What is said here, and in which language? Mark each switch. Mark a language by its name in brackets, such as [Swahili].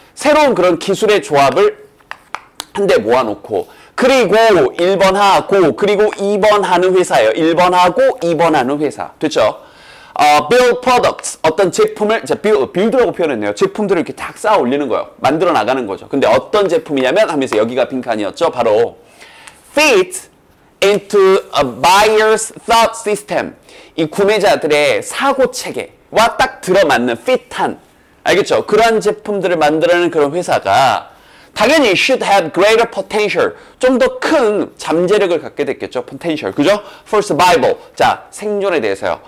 [Korean] 새로운 그런 기술의 조합을 한 대 모아놓고 그리고 1번 하고 그리고 2번 하는 회사예요. 1번 하고 2번 하는 회사. 됐죠? [English] Build products. [Korean] 어떤 제품을 자, build라고 표현했네요. 제품들을 이렇게 딱 쌓아 올리는 거예요. 만들어 나가는 거죠. 근데 어떤 제품이냐면 하면서 여기가 빈칸이었죠. [English] 바로 fit into a buyer's thought system. [Korean] 이 구매자들의 사고체계와 딱 들어맞는 핏한, 알겠죠? 그러한 제품들을 만들어내는 그런 회사가 당연히 [English] should have greater potential. [Korean] 좀 더 큰 잠재력을 갖게 됐겠죠? potential. 그죠? [English] for survival. [Korean] 자, 생존에 대해서요.